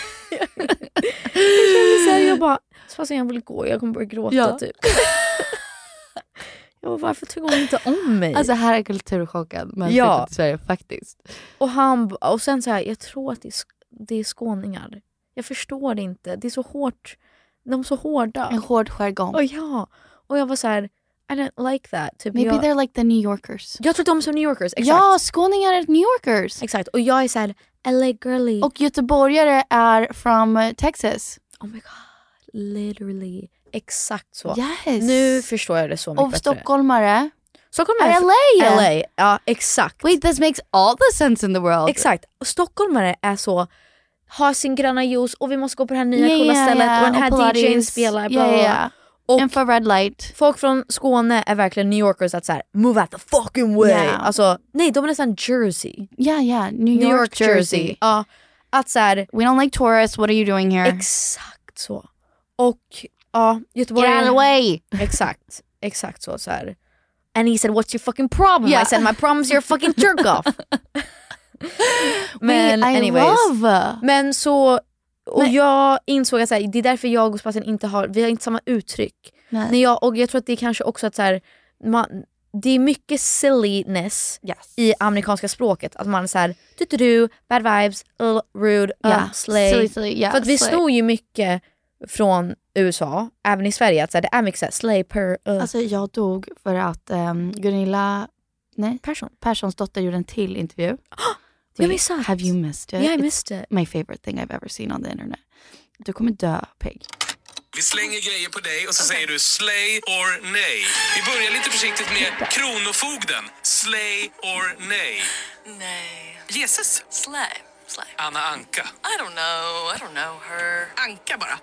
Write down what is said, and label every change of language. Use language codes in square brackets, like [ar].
[sv] Jag kände så här, jag bara Sebastian, jag vill gå, jag kommer börja gråta, ja. Typ. Ja, varför tycker hon inte om mig? Alltså här är kulturchocken, men ja. Det är inte Sverige faktiskt. Och han och sen så här, jag tror att det är skåningar. Jag förstår det inte. Det är så hårt. De är så hårda. En hård jargong. Och ja. Och jag var så här, [en] I don't like that. Typ maybe they're like the New Yorkers. [sv] Jag tror de är som New Yorkers. Exakt. Ja, skåningar är New Yorkers. Exakt. Och jag är så här, LA girly. Och göteborgare är [en] from Texas. Oh my god. Literally. [sv] Exakt så. [en] Yes. [sv] Nu förstår jag det så mycket och bättre. Och stockholmare. Stockholmare. LA. LA. Ja, exakt. [en] Wait, this makes all the sense in the world. [sv] Exakt. Stockholmare är så, har sin gröna ljus och vi måste gå på det här nya coola stället. Och den här DJ'n spelar. [en] Infrared light. [sv] Folk från Skåne är verkligen New Yorkers att såhär, [en] move out the fucking way. Yeah. [sv] Alltså, nej, de är nästan Jersey. [en] Yeah. New York Jersey. [sv] Ja. Att såhär, [en] we don't like tourists, what are you doing here? [sv] Exakt så. Och ja, Göteborg. [en] Get out of the way. [sv] Exakt. Exakt så här. [en] And he said, what's your fucking problem? Yeah. I said, my problem's your fucking jerk off. [sv] Men [en] wait, [sv] men så, och men, jag insåg att så här, det är därför jag och Sebastian inte har, vi har inte samma uttryck. Nej. När jag, och jag tror att det är kanske också att så här, man, det är mycket silliness i amerikanska språket. Att man är såhär, du, [en] bad vibes, rude, slay. Silly, [sv] för att vi står ju mycket från USA, även i Sverige, att det är mycket slay per... Alltså jag dog för att Gunilla... Nej, Perssons dotter gjorde en till intervju. Jag missade det. [en] Have you missed it? Yeah, I missed it. My favorite thing I've ever seen on the internet. [sv] Du kommer dö, Peg. Vi slänger grejer på dig och så säger du slay or nej. Vi börjar lite försiktigt med kronofogden. [en] Slay or nej. [sv] Nej. Jesus. [en] Slay. Anna Anka. I don't know her. [sv] Anka bara.